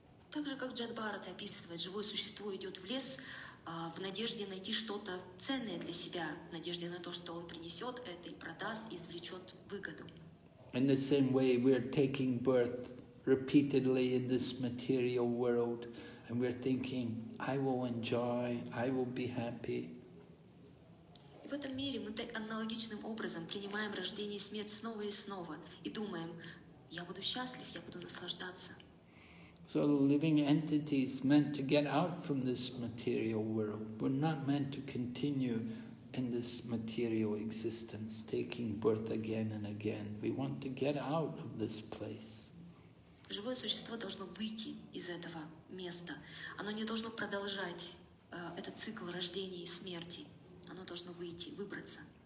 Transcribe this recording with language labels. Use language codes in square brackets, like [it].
[ru] Так же, как Джад Барат описывает, живое существо идет в лес в надежде найти что-то ценное для себя, в надежде на то, что он принесет это и продаст, и извлечет выгоду. [en] In the same way, we are taking birth repeatedly in this material world, and we're thinking, I will enjoy, I will be happy. [ru] В этом мире мы аналогичным образом принимаем рождение и смерть снова и снова и думаем, я буду счастлив, я буду наслаждаться. [en] So the living entity is meant to get out from this material world. We're not meant to continue in this material existence, taking birth again and again. We want to get out of this place. [ru] Живое существо должно выйти из этого места. Оно не должно продолжать этот цикл рождения и смерти. Оно должно выйти, выбраться.